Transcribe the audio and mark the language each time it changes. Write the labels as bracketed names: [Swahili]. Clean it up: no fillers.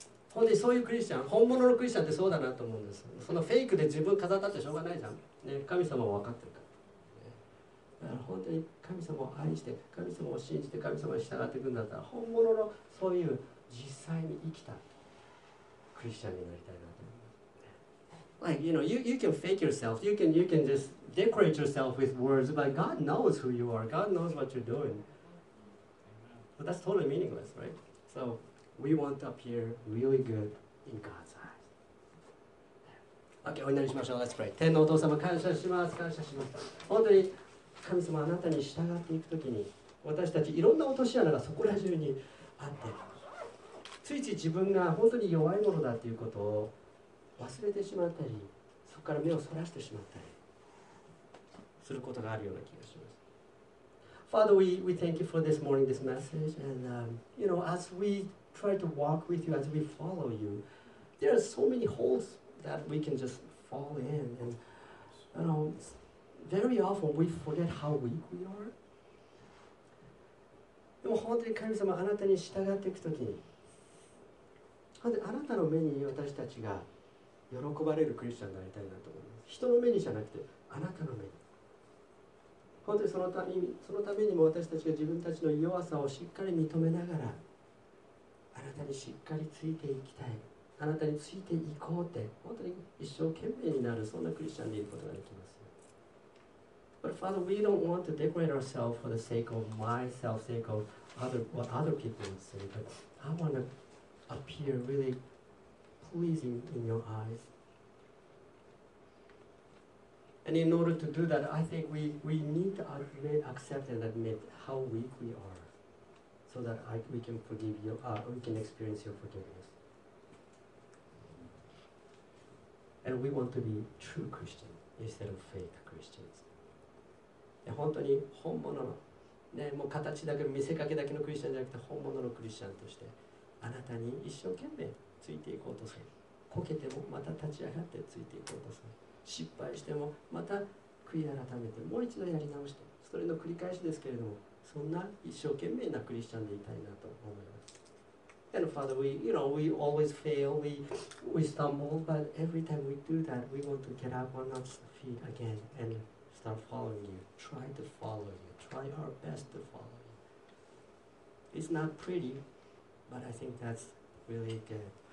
[Japanese] 本当にそういうクリスチャン、本物のクリスチャンってそうだなと思うんです。そのフェイクで自分飾ったってしょうがないじゃん。ね、神様は分かってるから。ね、だから本当に神様を愛して、神様を信じて、神様に従っていくんだったら、本物のそういう実際に生きたクリスチャンになりたいなと思います。 [English] Like, you know, you can fake yourself. You can just decorate yourself with words, but God knows who you are. God knows what you're doing. But that's totally meaningless, right? So,We want to appear really good in God's eyes. [Japanese] Okay, お祈りしましょう。 [English] Let's pray. [Japanese] 天のお父様、感謝します。感謝します。本当に神様、あなたに従っていくときに、私たちいろんな落とし穴がそこら中にあって、ついつい自分が本当に弱いものだということを忘れてしまったり、そこから目をそらしてしまったりすることがあるような気がします。 [English] Father, we thank you for this morning, this message, and you know, as we try to walk with you as we follow you. There are so many holes that we can just fall in. And you know, very often we forget how weak we are. [Japanese] でも本当に神様あなたに従っていくときに、本当にあなたの目に私たちが喜ばれるクリスチャンになりたいなと思います。人の目にじゃなくてあなたの目に。本当にそのためにも私たちが自分たちの弱さをしっかり認めながら、あなたにしっかりついていきたい、あなたについていこうって本当に一生懸命になる、そんなクリスチャンでいることができます。 [English] But Father, we don't want to decorate ourselves for the sake of myself, sake of other, what other people would say, but I want to appear really pleasing in your eyes. And in order to do that, I think we need to admit, accept and admit how weak we are. So that we can forgive you, we can experience your forgiveness. And we want to be true Christians instead of fake Christians. [Japanese] 本当に本物の、ね、もう形だけ、見せかけだけのクリスチャンじゃなくて、本物のクリスチャンとして、あなたに一生懸命ついていこうとする。こけてもまた立ち上がってついていこうとする。失敗してもまた悔い改めて、もう一度やり直して、それの繰り返しですけれども、そんな一生懸命なクリスチャンでいたいなと思います。 [English] And Father, we, you know, we always fail, we stumble, but every time we do that, we want to get up on our feet again and start following you. Try to follow you. Try our best to follow you. It's not pretty, but I think that's really good.